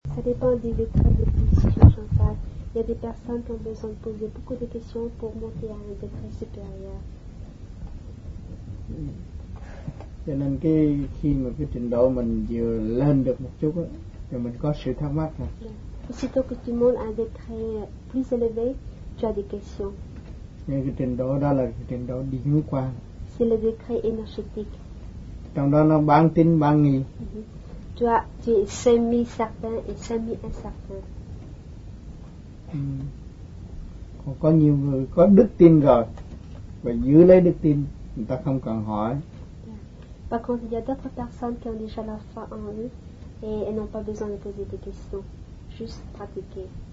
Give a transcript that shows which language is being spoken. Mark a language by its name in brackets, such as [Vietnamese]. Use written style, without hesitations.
[French] Ça dépend des degrés de situation. Enfin, il y a des personnes qui ont besoin de poser beaucoup de questions pour monter à un degré supérieur. [Vietnamese] Cho nên cái khi mà cái trình độ mình vừa lên được một chút á, thì mình có sự thắc mắc nè. [French] Aussitôt que tu montes à un degré plus élevé, tu as des questions. [Vietnamese] Nên cái trình độ đó là cái trình độ điển quang. [French] C'est le degré énergétique. [Vietnamese] Trong đó nó bán tín bán nghi. [French] Tu es semi-certain et semi-incertain. [Vietnamese] Còn có nhiều người có đức tin rồi và giữ lấy đức tin, người ta không cần hỏi. [French] Par contre, il y a d'autres personnes qui ont déjà la foi en eux et elles n'ont pas besoin de poser des questions, juste pratiquer.